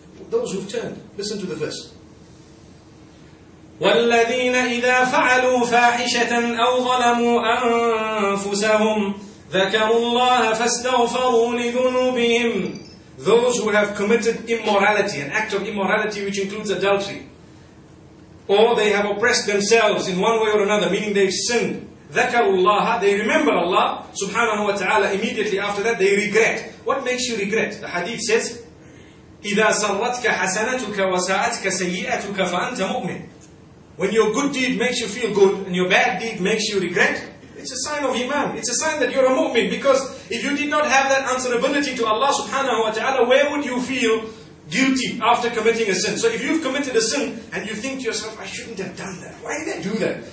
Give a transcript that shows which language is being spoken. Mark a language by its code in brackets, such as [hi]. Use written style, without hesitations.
[en] Those who've turned. Listen to the verse. [ar] وَالَّذِينَ إِذَا فَعَلُوا فَاحِشَةً أَوْ ظَلَمُوا أَنفُسَهُمْ ذَكَرُوا اللَّهَ فَاسْتَغْفَرُوا لِذُنُوبِهِمْ. [en] Those who have committed immorality, an act of immorality which includes adultery, or they have oppressed themselves in one way or another, meaning they've sinned. [ar] ذَكَرُوا اللَّهَ, [en] they remember Allah, subhanahu wa ta'ala, immediately after that they regret. What makes you regret? The hadith says, [ar] إِذَا سَرَّتْكَ حَسَنَتُكَ وَسَاءَتْكَ سَيِّئَتُكَ فَأَنْتَ مُؤْمِنٌ. [en] When your good deed makes you feel good and your bad deed makes you regret, it's a sign of iman. It's a sign that you're a mu'min. Because if you did not have that answerability to Allah subhanahu wa ta'ala, where would you feel guilty after committing a sin? So if you've committed a sin and you think to yourself, I shouldn't have done that. Why did I do that?